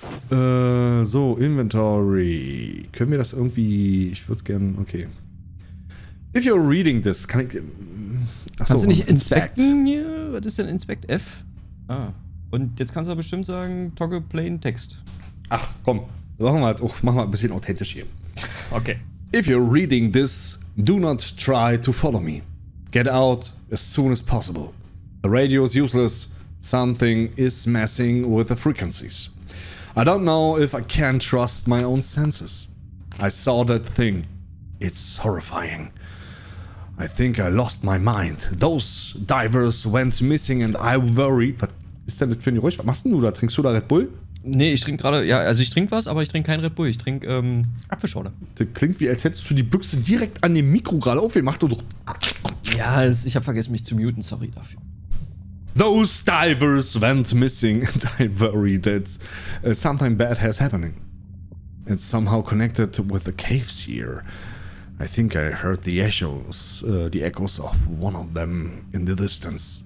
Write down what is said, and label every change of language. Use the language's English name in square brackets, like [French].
[German] So, Inventory. Können wir das irgendwie... Ich würde es gerne... Okay. [English] If you're reading this, [German] kann ich... Achso, kannst du nicht inspecten? Ja, was ist denn Inspect F? Ah. Und jetzt kannst du aber bestimmt sagen, [English] toggle plain text. [German] Ach, komm. Machen wir ein bisschen authentisch hier. Okay. [English] If you're reading this, do not try to follow me. Get out as soon as possible. The radio is useless. Something is messing with the frequencies. I don't know if I can trust my own senses. I saw that thing. It's horrifying. I think I lost my mind. Those divers went missing and I worry. [German] Was ist denn das für ein Geräusch? Was machst du da? Trinkst du da Red Bull? Nee, ich trinke gerade, ja, also ich trinke was, aber ich trinke keinen Red Bull. Ich trinke Apfelschorle. Das klingt wie, als hättest du die Büchse direkt an dem Mikro gerade aufgehört. Mach doch. Ja, ich habe vergessen, mich zu muten. Sorry dafür. [English] Those divers went missing and I worry that something bad has happening. It's somehow connected with the caves here. I think I heard the echoes of one of them in the distance.